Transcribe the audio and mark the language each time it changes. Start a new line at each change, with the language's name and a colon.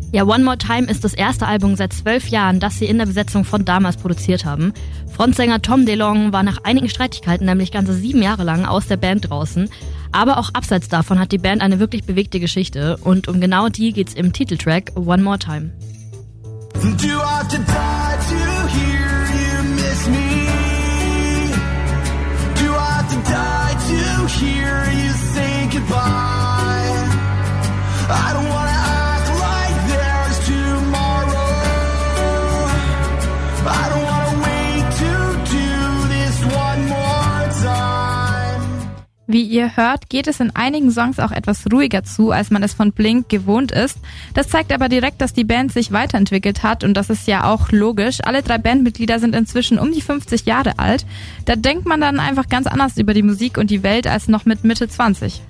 German: Ja, One More Time ist das erste Album seit 12 Jahren, das sie in der Besetzung von damals produziert haben. Frontsänger Tom DeLonge war nach einigen Streitigkeiten nämlich ganze 7 Jahre lang aus der Band draußen. Aber auch abseits davon hat die Band eine wirklich bewegte Geschichte. Und um genau die geht's im Titeltrack One More Time.
English: Do I have to die to hear you miss me? Do I have to die to hear you say goodbye? I don't wanna act like there's tomorrow. I don't wanna wait to do this one more time.
German: Wie ihr hört, geht es in einigen Songs auch etwas ruhiger zu, als man es von Blink gewohnt ist. Das zeigt aber direkt, dass die Band sich weiterentwickelt hat und das ist ja auch logisch. Alle 3 Bandmitglieder sind inzwischen um die 50 Jahre alt. Da denkt man dann einfach ganz anders über die Musik und die Welt als noch mit Mitte 20.